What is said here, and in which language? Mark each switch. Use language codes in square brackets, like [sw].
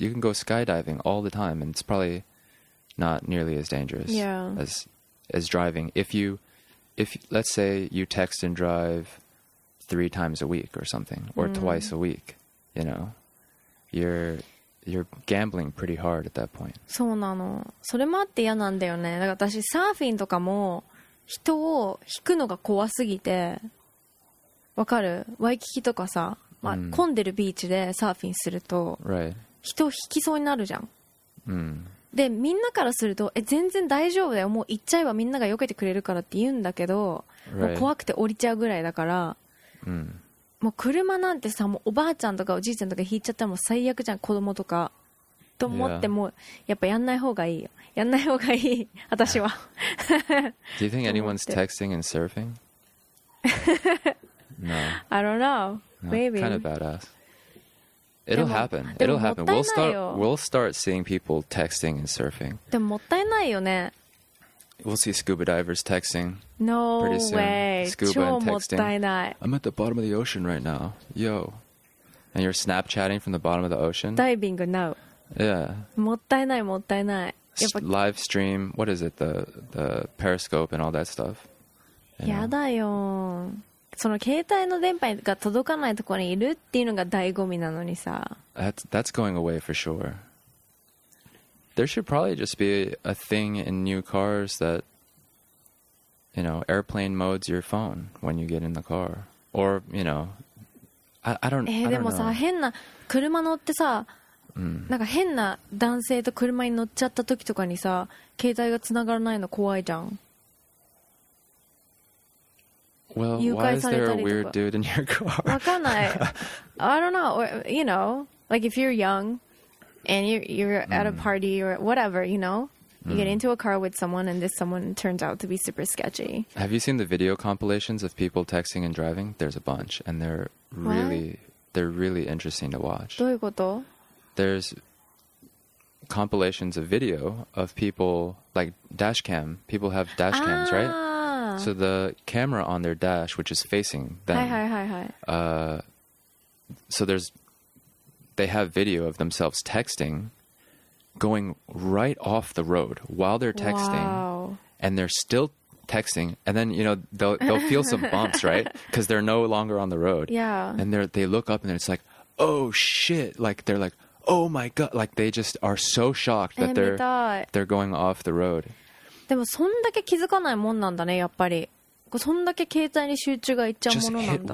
[en] You can go skydiving all the time and it's probably not nearly as dangerous as driving. If let's say you text and drive 3 times a week or something, or twice a week, you know. You're gambling pretty hard at that point. [ja] そうなの。それもあって嫌なんだよね。だから私サーフィンとかも人を引くのが怖すぎて、わかる？ワイキキとかさ、混んでるビーチでサーフィンすると、 [en] right. [ja] 人を引きそうになるじゃん。 Mm. でみんなからすると、全然大丈夫だよ。もう行っちゃえばみんなが避けてくれるからって言うんだけど、 [en] right. [ja] もう怖くて降りちゃうぐらいだから。 Mm. もう車なんてさ、もうおばあちゃんとかおじいちゃんとか引いちゃったらもう最悪じゃん、子供とかと思って、もうやっぱやんない方がいいよ、やんない方がいい、私は。 [en] Do you think anyone's texting and surfing? No. I don't know. Maybe. Kind of badass. It'll happen. It'll happen. We'll start seeing people texting and surfing. [ja] でももったいないよね。 [en] We'll see scuba divers texting. No way. Scuba and texting. I'm at the bottom of the ocean right now. Yo. And you're Snapchatting from the bottom of the ocean? Diving, no. Yeah. [ja] もったいない、もったいない。 [en] Live stream, what is it? The Periscope and all that stuff. [ja] やだよ。その携帯の電波が届かないところにいるっていうのが醍醐味なのにさ。 [en] That's going away for sure. There should probably just be a thing in new cars that, you know, airplane modes your phone when you get in the car. Or, you know, I don't know. [ja] でもさ、変な車乗ってさ、なんか変な男性と車に乗っちゃった時とかにさ、携帯が繋がらないの怖いじゃん。 [en] Well, why is there a weird dude in your car? [ja] わかんない。 [en] I don't know. You know, like if you're young...And you're at a party or whatever, you know? You get into a car with someone and this someone turns out to be super sketchy. Have you seen the video compilations of people texting and driving? There's a bunch. And they're really, they're really interesting to watch. [ja] どういうこと? [en] There's compilations of video of people, like dash cam. People have dash cams, right? So the camera on their dash, which is facing them. [ja] はいはいはいはい. [en] So there's, they have video of themselves texting, going right off the road while they're texting. Wow. And they're still texting. And then, you know, they'll feel some bumps, right? Because they're no longer on the road. Yeah. And they look up and it's like, oh shit. Like they're like, oh my God. Like they just are so shocked that they're going off the road. [ja] でもそんだけ気づかないもんなんだねやっぱり。そんだけ携帯に集中がいっちゃうものなんだ。